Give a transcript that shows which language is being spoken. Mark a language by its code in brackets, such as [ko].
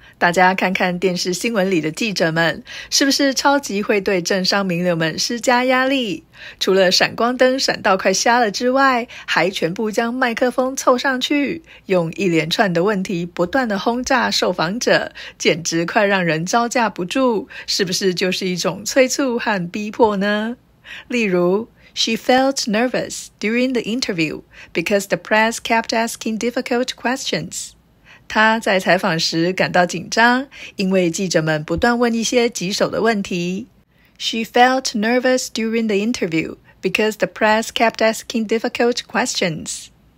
[zh] 大家看看电视新闻里的记者们，是不是超级会对政商名流们施加压力？除了闪光灯闪到快瞎了之外，还全部将麦克风凑上去，用一连串的问题不断的轰炸受访者，简直快让人招架不住，是不是就是一种催促和逼迫呢？ [en] 例如 She felt nervous during the interview because the press kept asking difficult questions。 [zh] 他在采访时感到紧张，因为记者们不断问一些棘手的问题。 [en] She felt nervous during the interview because the press kept asking difficult questions.